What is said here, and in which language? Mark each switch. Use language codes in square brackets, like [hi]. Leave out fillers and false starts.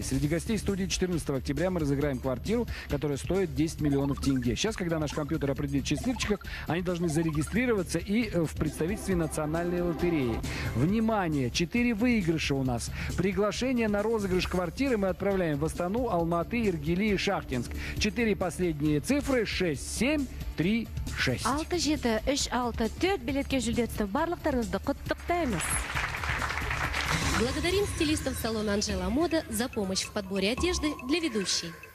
[ru] Среди гостей студии 14 октября мы разыграем квартиру, которая стоит 10 миллионов тенге. Сейчас, когда наш компьютер определит счастливчиков, они должны зарегистрироваться и в представительстве национальной лотереи. Внимание! 4 выигрыша у нас. Приглашение на розыгрыш квартиры мы отправляем в Астану, Алматы, Иргили и Шахтинск. 4 последние цифры – 7-3-6. [kk] Алты жеті, үш алты, төрт билетке жүлдетті барлықтарыңызды құттықтаймыз. [ru] Благодарим стилистов салона Анжела Мода за помощь в подборе одежды для ведущей.